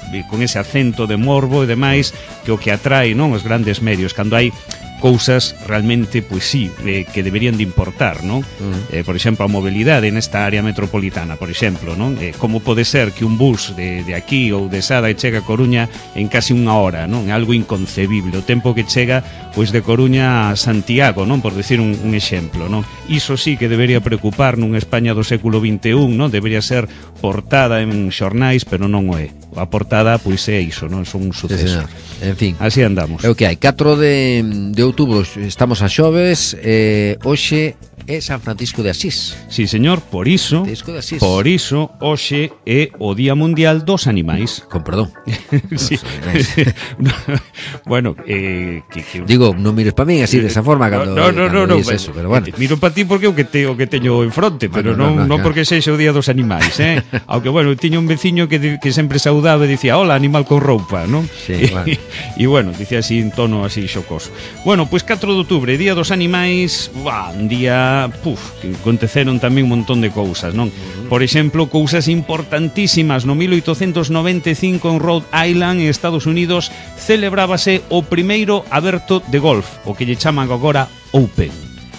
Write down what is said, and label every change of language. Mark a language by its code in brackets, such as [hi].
[es] con ese acento de morbo y demás, que o que atrae, ¿no?, los grandes medios, cuando hay cousas realmente, pues sí, que deberían de importar, ¿no? [gl] Uh-huh. Por exemplo, a movilidade en esta área metropolitana, por exemplo, ¿no? Como pode ser que un bus de aquí ou de Sada e chegue a Coruña en casi unha hora, ¿no? Algo inconcebible. O tempo que chega, pues, de Coruña a Santiago, ¿no? Por decir un exemplo, ¿no? Iso sí que debería preocupar nun España do século XXI, ¿no? Debería ser portada en xornais, pero non o é. A portada, pues, é iso, ¿no? [es] Es un suceso. [gl] Sí, en fin. Así andamos. Ok, 4 de outubro, estamos a xoves, hoxe é San Francisco de Asís. Sí, señor, por iso, hoxe é o Día Mundial dos Animais. Con perdón. [es] Sí. No, bueno, que... [gl] Digo, non mires para min así desa forma cando [es] no, no, no, no, no, eso, pero bueno. [gl] Miro para ti porque é o que teño en fronte, pero bueno, non porque sexa o Día dos Animais, eh? Aunque bueno, tiño un veciño que sempre saudaba e dicía, "Hola, animal con roupa", non? Sí, claro. E bueno, dicía así en tono así xocoso. Bueno, pois pues 4 de outubro, Día dos Animais, un día, puf, que aconteceron tamén un montón de cousas, non? Por exemplo, cousas importantísimas. No 1895, en Rhode Island, en Estados Unidos, celebrábase o primeiro aberto de golf, o que lle chaman agora Open.